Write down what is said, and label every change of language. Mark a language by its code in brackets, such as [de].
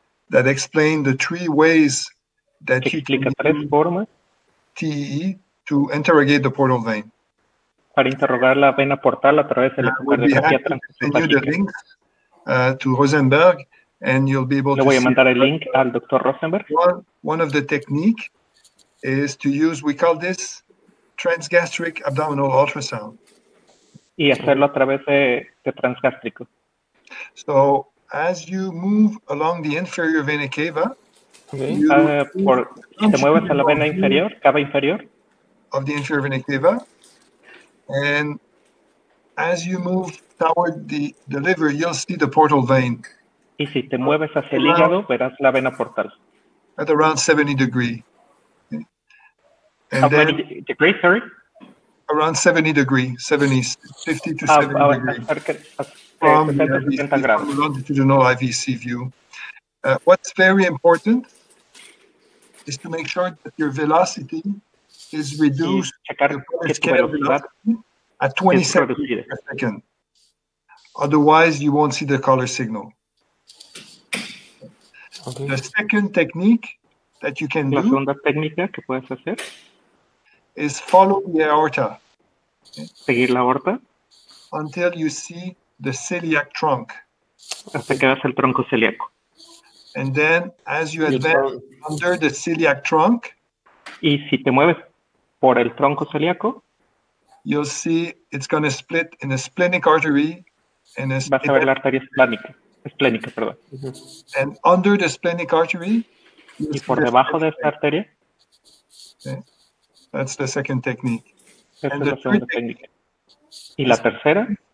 [en] that explain the three ways that you can use TEE to interrogate the portal vein. [es] Para interrogar la vena portal a través de la ecografía transcutánea. [en] To Rosenberg, and you'll be able [es] le voy a mandar el link al Dr. Rosenberg. [en] One of the technique is to use, we call this transgastric abdominal ultrasound. [es] Y hacerlo a través de transgástrico. [en] So as you move along the inferior vena cava, [es] te mueves a la vena inferior, cava inferior, [en] of the inferior vena cava, and as you move toward the liver, you'll see the portal vein. [es] Y si te mueves hacia el hígado, verás la vena portal. [en] At around 70 degrees. And then, degrees, sorry? Around 70 degrees, 70, 50 to 70 degrees. From the longitudinal IVC view. What's very important is to make sure that your velocity is reduced at 20 seconds per second. Otherwise, you won't see the color signal. Okay. The second technique that you can [es] la segunda técnica que puedes hacer [en] is follow the aorta. [es] Seguir la aorta [en] until you see the celiac trunk. [es] Hasta que veas el tronco celíaco. [en] And then as you advance under the celiac trunk, [es] y si te mueves por el tronco celíaco, [en] you'll see it's going to split in a splenic artery and [es] vas a ver la arteria esplénica. Esplénica, perdón. [en] Mm-hmm. And under the splenic artery, [es] y por debajo de esta arteria. [en] Okay. That's the second technique. [es] Y la tercera.